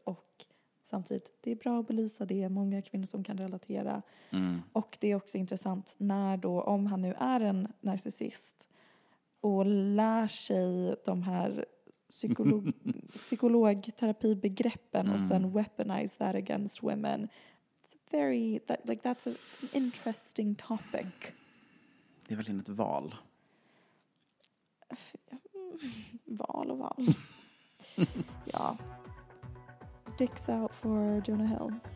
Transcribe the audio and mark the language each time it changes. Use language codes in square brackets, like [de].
[sv] Och samtidigt, det är bra att belysa det. Många kvinnor som kan relatera. Mm. Och det är också intressant när då, om han nu är en narcissist och lär sig de här psykologterapibegreppen och sen [en] weaponize that against women. It's very, that's an interesting topic. [sv] Det är verkligen ett val. Val och val. Ja. [en] Dicks out for Jonah Hill.